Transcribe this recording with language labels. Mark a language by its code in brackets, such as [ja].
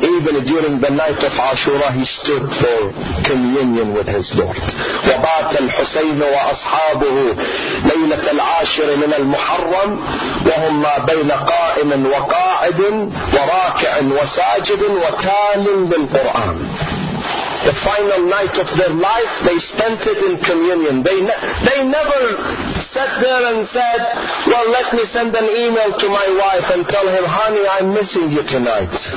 [en] Even during the night of Ashura, he stood for communion with his Lord. [ar] وبات الحسين وأصحابه ليلة العاشر من المحرم وهم ما بين قائم وقاعد وراكع وساجد وتال بالقرآن. [en] The final night of their life, they spent it in communion. They never sat there and said, well, let me send an email to my wife and tell him, honey, I'm missing you tonight.